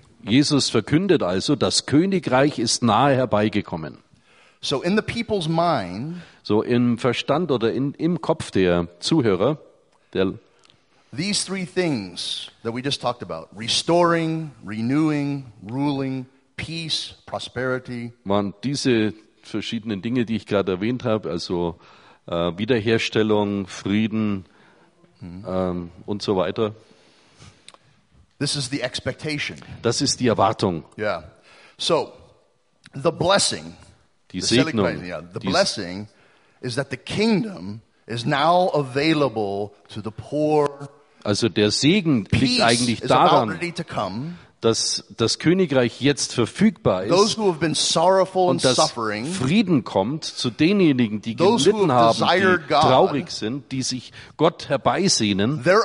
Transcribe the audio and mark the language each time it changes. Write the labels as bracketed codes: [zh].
[de] Jesus verkündet also, das Königreich ist nahe herbeigekommen. [en] So in the people's mind, [de] so im Verstand oder im Kopf der Zuhörer, [en] these three things that we just talked about, restoring, renewing, ruling, peace, prosperity, [de] waren diese verschiedenen Dinge, die ich gerade erwähnt habe, also Wiederherstellung, Frieden und so weiter. [en] This is the expectation. [de] Das ist die Erwartung. [en] Yeah. So, the blessing, [de] die Segnung, [en] the blessing is that the kingdom is now available to the poor. [de] Also der Segen liegt eigentlich daran, dass das Königreich jetzt verfügbar ist und dass Frieden kommt zu denjenigen, die gelitten haben, die traurig sind, die sich Gott herbeisehnen.